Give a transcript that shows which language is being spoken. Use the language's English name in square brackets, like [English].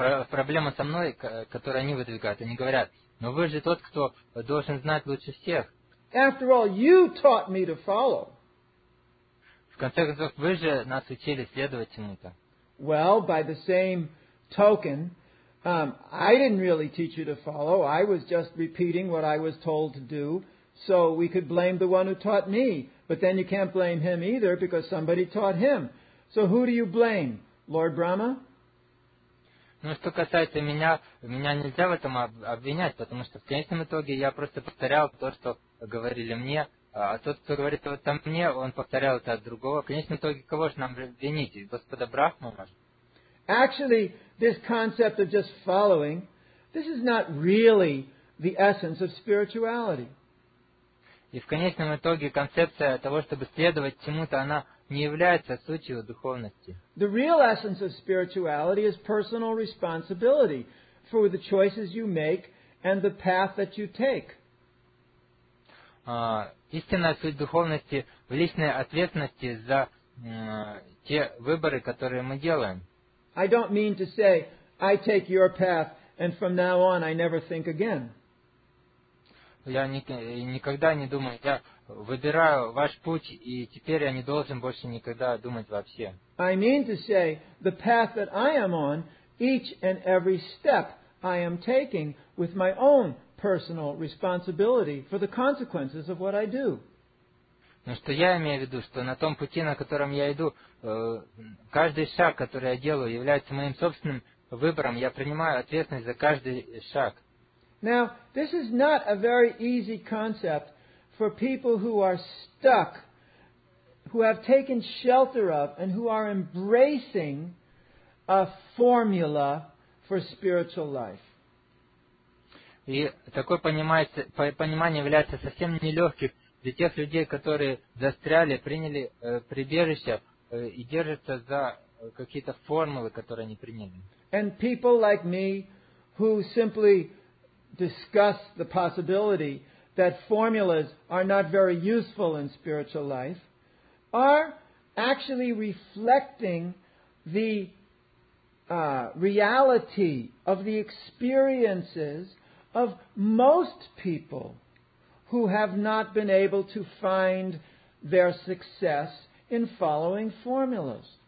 [Russian] Проблема со мной, которую они выдвигают, они говорят, но вы же тот, кто должен знать лучше всех. [English] After all, you taught me to follow. [Russian] В конце концов, вы же нас учили следовать чему-то. [English] Well, by the same token, I didn't really teach you to follow. I was just repeating what I was told to do. So we could blame the one who taught me. But then you can't blame him either because somebody taught him. So who do you blame? Lord Brahma? [Russian] Ну, что касается меня, меня нельзя в этом обвинять, потому что в конечном итоге я просто повторял то, что говорили мне. А тот, кто говорит это мне, он повторял это от другого. В конечном итоге, кого же нам обвинить? Господа Брахма, может? [English] Actually, this concept of just following, this is not really the essence of spirituality. [Russian] И в конечном итоге, концепция того, чтобы следовать чему-то, она не является сутью духовности. [English] The real essence of spirituality is personal responsibility for the choices you make and the path that you take. [Russian] Истинная суть духовности в личной ответственности за те выборы, которые мы делаем. [English] I don't mean to say, I take your path, and from now on I never think again. [Russian] Я никогда не думаю, я выбираю ваш путь, и теперь я не должен больше никогда думать вообще. [English] I mean to say, the path that I am on, each and every step I am taking with my own personal responsibility for the consequences of what I do. [Russian] Ну что я имею в виду, что на том пути, на котором я иду, каждый шаг, который я делаю, является моим собственным выбором. Я принимаю ответственность за каждый шаг. [English] Now, this is not a very easy concept for people who are stuck, who have taken shelter of and who are embracing a formula for spiritual life. [Russian] И такое понимание является совсем нелегким для тех людей, которые застряли, приняли прибежище и держатся за какие-то формулы, которые они приняли. [English] And people like me, who simply discuss the possibility that formulas are not very useful in spiritual life, are actually reflecting the reality of the experiences of most people who have not been able to find their success in following formulas.